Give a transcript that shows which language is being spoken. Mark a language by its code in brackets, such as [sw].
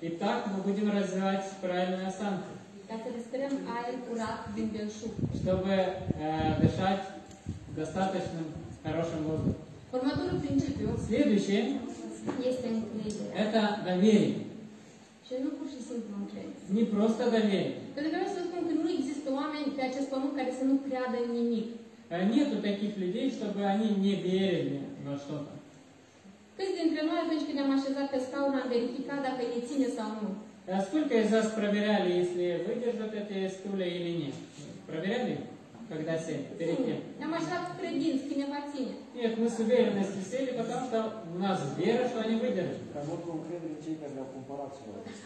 [ru] И так мы будем развивать правильную осанку. [ro] Ca să respirăm aer curat din belșug. [ru] Чтобы дышать достаточным хорошим воздухом. [ro] Următorul principiu. [ru] Следующее. [ro] Este încredere. [ru] Это доверие. [ro] Și nu pur și simplu încredere. [ru] Не просто доверие. [ro] Pentru că vreau să spun că nu există oameni pe acest pământ care să nu creadă în nimic. [ru] Нету таких людей, чтобы они не верили во что-то. [ro] Câți dintre noi atunci când ne-am așezat pe scaun am verificat dacă ne ține sau nu? [ru] Сколько из вас проверяли, если выдержат эти стулья или нет? Проверяли, когда сели? Перед ним. [ro] Ne-am așezat cu credință, când ne-am ține. [ru] Нет, мы с уверенностью сели, потому что у нас вера, что они выдержат. Там вот конкретно те, когда компарат сюда.